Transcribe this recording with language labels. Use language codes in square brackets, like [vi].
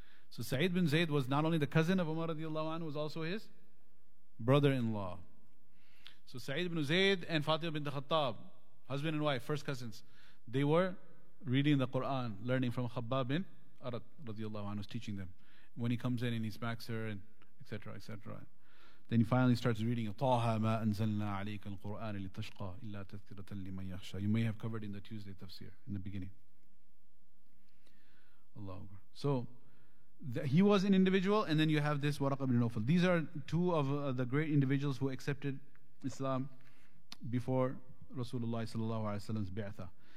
[en] So Sa'id ibn Zayd was not only the cousin of Umar radiallahu anhu, was also his brother-in-law. So Sa'id ibn Zayd and Fatima bint Khattab, husband and wife, first cousins, they were reading the Quran, learning from Khabbab bin Arad radiallahu anhu, was teaching them. When he comes in and he smacks her and et cetera, et cetera. Then he finally starts reading, [ar] طه ما أنزلنا عليك القرآن لتشقى إلا تذكرة لمن يخشى. [en] You may have covered in the Tuesday tafsir in the beginning. Allahu Akbar. So he was an individual, and then you have this Waraqah ibn Nawfal. These are two of the great individuals who accepted Islam before Rasulullah sallallahu alayhi wa sallam's bi'atha.